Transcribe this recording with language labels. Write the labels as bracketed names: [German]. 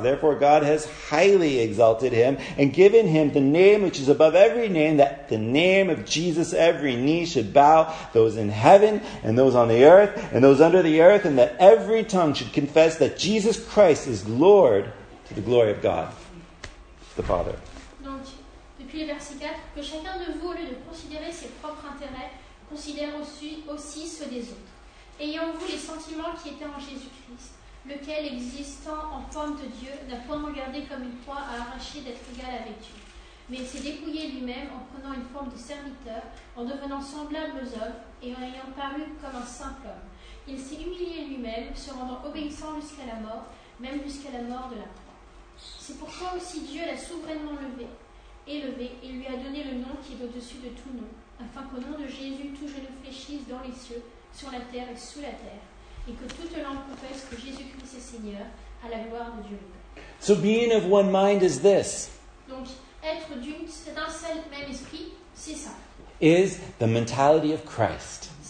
[English] Therefore God has highly exalted him, and given him the name which is above every name, that the name of Jesus every knee should bow, those in heaven, and those on the earth, and those under the earth, and that every tongue should confess that Jesus Christ is Lord, to the glory of God the Father. [French] Donc, depuis le verset 4, que chacun de vous, au lieu de considérer ses propres intérêts, considère aussi ceux des autres. Ayant-vous les sentiments qui étaient en Jésus-Christ, lequel, existant en forme de Dieu, n'a point regardé comme une proie à arracher d'être égal avec Dieu, mais il s'est dépouillé lui-même en prenant une forme de serviteur, en devenant semblable aux hommes, et en ayant paru comme un simple homme. Il s'est humilié lui-même, se rendant obéissant jusqu'à la mort, même jusqu'à la mort de la croix. C'est pourquoi aussi Dieu l'a souverainement élevé, et lui a donné le nom qui est au-dessus de tout nom, afin qu'au nom de Jésus, tout genou fléchisse dans les cieux, sur la terre et sous la terre, et que toute langue confesse que Jésus-Christ est Seigneur, à la gloire de Dieu. [English] So being of one mind is this. [French] Donc, être d'un seul même esprit, c'est ça. [English] Is the mentality of Christ.